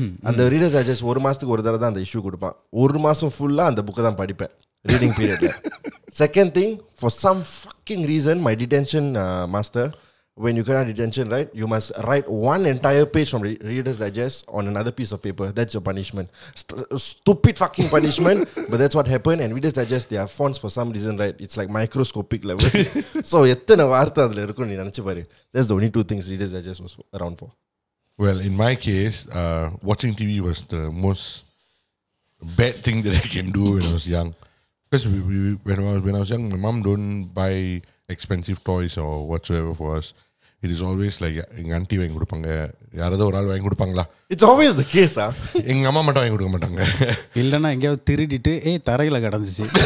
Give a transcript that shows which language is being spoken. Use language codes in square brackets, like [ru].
[ta] அந்த readers digest ஒரு மாசத்துக்கு ஒரு தடவை தான் அந்த இஷ்யூ கொடுப்பான். ஒரு மாசம் ஃபுல்லா அந்த புக்கை தான் படிப்பேன் ரீடிங் பீரியட்ல. [en] Second thing, for some fucking reason, my detention master, when you can have detention, right, you must write one entire page from Reader's Digest on another piece of paper. That's your punishment. Stupid fucking punishment. But that's what happened. And Reader's Digest, their fonts for some reason, right, it's like microscopic level. So [ta] ethana vaartha adle irukku ni nanichu paaru. [en] That's the only two things Reader's Digest was around for. Well, in my case, watching TV was the most bad thing that I can do when I was young. Because when I was young, my mom don't buy expensive toys or whatsoever for us. It is always like [ta] எங்க aunty வாங்கி கொடுப்பாங்க யாராவது ஒரு ஆள் வாங்கி கொடுப்பாங்களா [en] it's always the case ஆ [ta] எங்க அம்மா மட்டும் வாங்கி கொடுக்க மாட்டாங்க இல்லைனா எங்கேயாவது திருடிட்டு ஏய் தரையில் கிடந்துச்சு